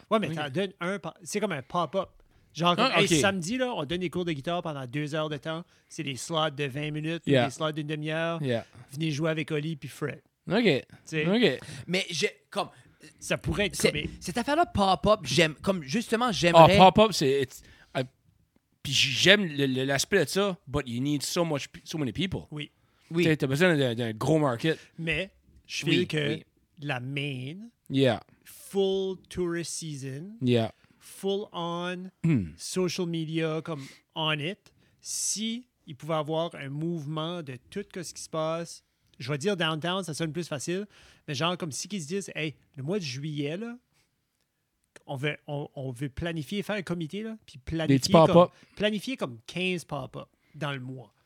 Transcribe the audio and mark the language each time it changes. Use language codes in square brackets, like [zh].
[fr] Ouais, mais t'en donnes un. C'est comme un pop-up. Genre, ah, okay. Hey, samedi, là, on donne des cours de guitare pendant 2 heures de temps. C'est des slots de 20 minutes, [en] yeah. [fr] Des slots d'une demi-heure. [en] Yeah. [fr] Venez jouer avec Oli puis Fred. OK. T'sais? OK. Mais j'ai comme... Ça pourrait être comme... Cette affaire-là, pop-up, j'aime... Comme, justement, j'aimerais... Ah, pop-up, c'est... Puis j'aime l'aspect de ça, [en] but you need so much, so many people. [fr] Oui. Oui. T'as besoin d'un gros market. Mais je feel que la main, [en] yeah. Full tourist season, yeah. [fr] Full on social media, comme on it, si il pouvait avoir un mouvement de tout ce qui se passe, je vais dire downtown, ça sonne plus facile, mais genre comme si qu'ils se disent, hey, le mois de juillet, là, on veut planifier, faire un comité, là, puis planifier comme 15 pop-up dans le mois.